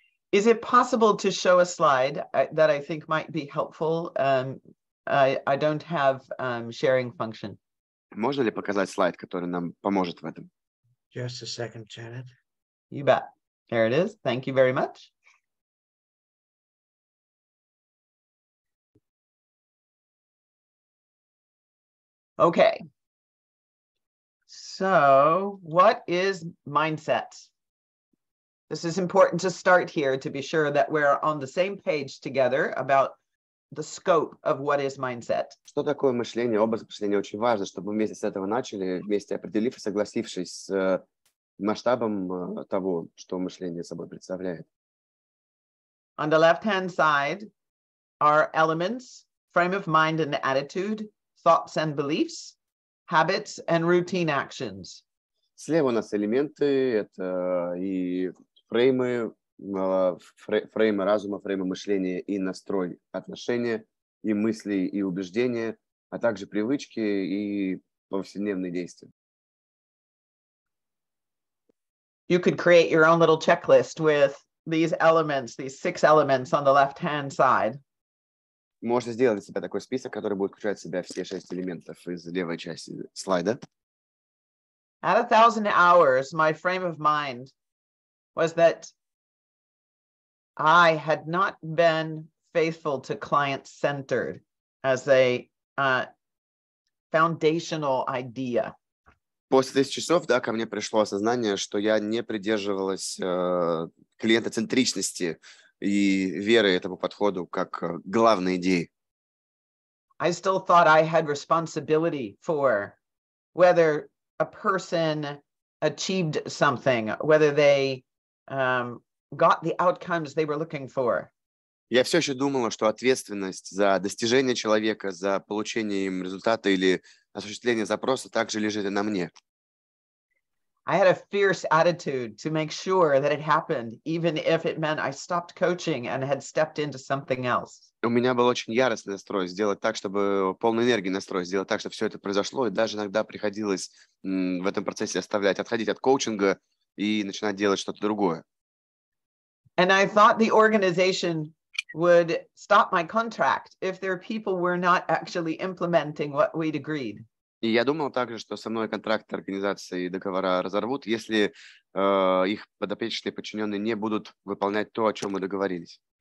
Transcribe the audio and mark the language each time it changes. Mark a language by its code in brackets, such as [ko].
[en] Is it possible to show a slide that I think might be helpful? I don't have sharing function. [ru] Можно ли показать слайд, который нам поможет в этом? [en] Just a second, Janet. You bet. There it is. Thank you very much. Okay. So, what is mindset? This is important to start here to be sure that we're on the same page together about the scope of what is mindset. [ru] Что такое мышление? Образ мышления очень важно, чтобы мы вместе с этого начали, вместе определив и согласившись с масштабом того, что мышление собой представляет. [en] On the left-hand side are elements, frame of mind and attitude, thoughts and beliefs, habits and routine actions. [ru] Слева у нас элементы, это и фреймы, фреймы разума, фреймы мышления и настрой отношения, и мысли, и убеждения, а также привычки и повседневные действия. [en] You could create your own little checklist with these elements, these six elements on the left-hand side. [ru] Можно сделать себе такой список, который будет включать в себя все шесть элементов из левой части слайда. [en] At 1,000 hours, my frame of mind was that I had not been faithful to client-centered as a foundational idea. [ru] После 1000 часов, да, ко мне пришло осознание, что я не придерживалась клиентоцентричности и веры этому подходу как главной идеи. [en] I still thought I had responsibility for whether a person achieved something, whether they got the outcomes they were looking for. [ru] Я все еще думала, что ответственность за достижение человека, за получение им результата или осуществление запроса также лежит и на мне. [en] I had a fierce attitude to make sure that it happened, even if it meant I stopped coaching and had stepped into something else. [ru] У меня был очень яростный настрой сделать так, чтобы полной энергии настрой сделать так, чтобы все это произошло, и даже иногда приходилось в этом процессе оставлять, отходить от коучинга и начинать делать что-то другое. [en] And I thought the organization would stop my contract if their people were not actually implementing what we'd agreed. [ru] И я думал также, что со мной контракты организации и договора разорвут, если их подопечные подчиненные не будут выполнять то, о чем мы договорились.